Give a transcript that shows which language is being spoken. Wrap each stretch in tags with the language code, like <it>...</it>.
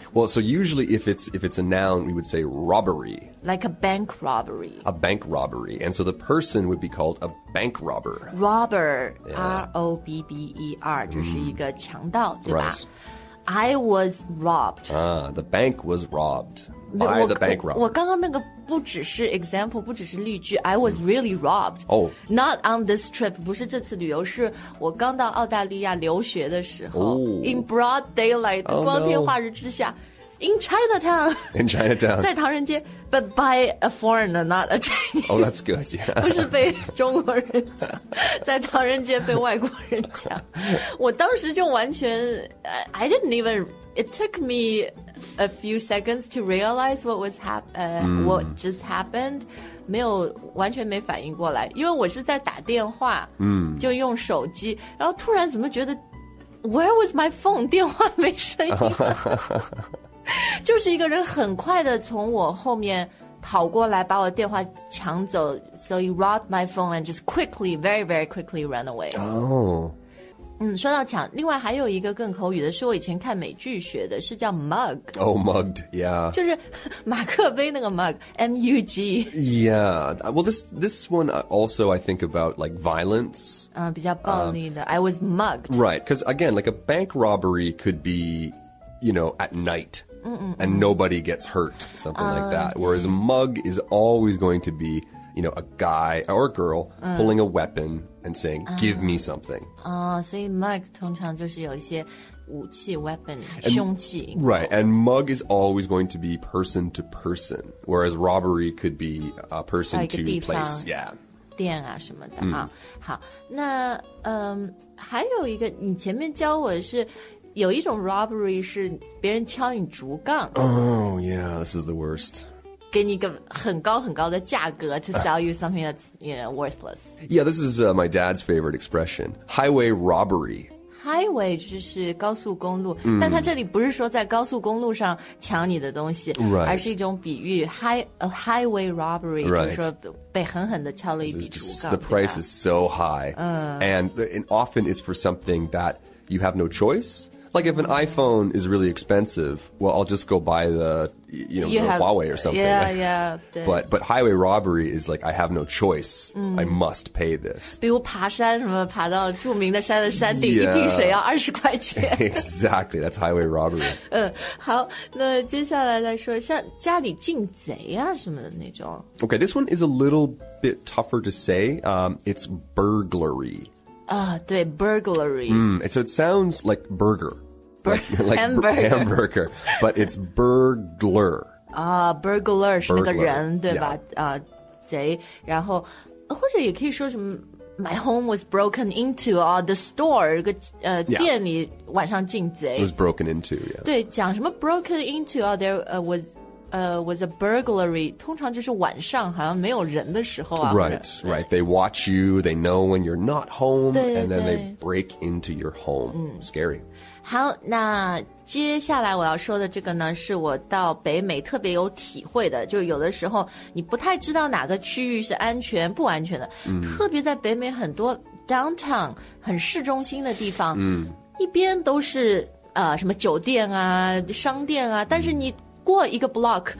<en>Well, so usually if it's a noun, we would say robbery. Like a bank robbery. A bank robbery, and so the person would be called a bank robber. Robber,、 yeah.</en> <zh>R-O-B-B-E-R, 就是一个强盗、 mm. 对吧、</zh> <en>right. I was robbed. The bank was robbed. By the bank robber.</en> <zh>我刚刚那个不只是 example, 不只是例句</zh> <en>I was really robbed. Oh. Not on this trip,</en> <zh>不是这次旅游是我刚到澳大利亚留学的时候、</zh> <en>oh. In broad daylight,、 oh,</en> <zh>光天化日之下、</zh> <en>no. In Chinatown. In Chinatown.</en> <zh>在唐人街</zh> <en>But by a foreigner, not a Chinese. Oh, that's good, yeah.</en> <zh>不是被中国人抢在唐人街被外国人抢我当时就完全</zh> <en>I didn't even It took meA few seconds to realize what was what just happened.</en> <zh>没有完全没反应过来，因为我是在打电话，嗯、mm. ，就用手机，然后突然怎么觉得 ，</zh> <en>Where was my phone?</en> <zh>电话没声音了，就是一个人很快的从我后面跑过来，把我电话抢走。</zh> <en>So he robbed my phone and just quickly, very, very quickly ran away. Oh.</en> <zh>嗯，说到抢，另外还有一个更口语的，是我以前看美剧学的，是叫 mug。</zh> <en>Oh, mugged, yeah.</en> <zh>就是马克杯那个 mug, M-U-G.</zh> <en>Yeah, well, this one also I think about like violence.</en> <zh>比较暴力的</zh> <en>I was mugged. Right, because again, like a bank robbery could be, you know, at night. And nobody gets hurt, something like that. Whereas a mug is always going to be, you know, a guy or a girl pulling a weapon. And saying, give me something.</en> <zh>So mug 通常就是有一些武器 weapon, 凶器</zh> <en>Right, and mug is always going to be person to person, whereas robbery could be a person to place. Yeah.</en> <zh>店啊什么的、mm. 啊。好，那还有一个，你前面教我的是有一种 robbery 是别人敲你竹杠。</zh> <en>Oh, yeah, this is the worst.</en> <zh>给你一个很高很高的价格</zh> <en>to sell you something that's, you know, worthless. Yeah, this is my dad's favorite expression. Highway robbery.</en> <zh>Highway 就是高速公路、mm. 但他这里不是说在高速公路上抢你的东西、</zh> <en>right.</en> <zh>而是一种比喻 highway robbery、</zh> <en>right.</en> <zh>就是说被狠狠地敲了一笔竹杠</zh> <en>The price is so high. And often it's for something that you have no choice. Like if an iPhone is really expensive, well, I'll just go buy the, you know, the Huawei or something. Yeah, yeah. 对 but highway robbery is like, I have no choice.、嗯、 I must pay this.</en> <zh>比如爬山什么爬到著名的山的山顶、</zh> <en>yeah.</en> <zh>一瓶水要20块钱。</zh> <en>Exactly. That's highway robbery.</en> <zh>嗯，好，那接下来来说像家里进贼啊什么的那种。</zh> <en>Okay, this one is a little bit tougher to say. It's burglary.</en> <zh>对 burglary.、</zh> <en>Mm, so it sounds like burger. Like hamburger. Hamburger. But it's burglar.</en> <zh>Burglar 是那个人</zh> <en>burglar,</en> <zh>对吧、</zh> <en>yeah.</en> <zh>贼。然后或者也可以说什么</zh> <en>my home was broken into, the store,</en> <zh>个、店里晚上进贼。</zh> <en>It was broken into, yeah.</en> <zh>对讲什么</zh> <en>broken into, there was,was a burglary,</en> <zh>通常就是晚上好像没有人的时候啊。</zh> <en>Right, right. They watch you, they know when you're not home,</en> <zh>对对对</zh> <en>and then they break into your home.、嗯、 Scary.</en> <zh>好，那接下来我要说的这个呢，是我到北美特别有体会的，就有的时候你不太知道哪个区域是安全不安全的，特别在北美很多 downtown 很市中心的地方，一边都是什么酒店啊商店啊，但是你过一个 block、</zh>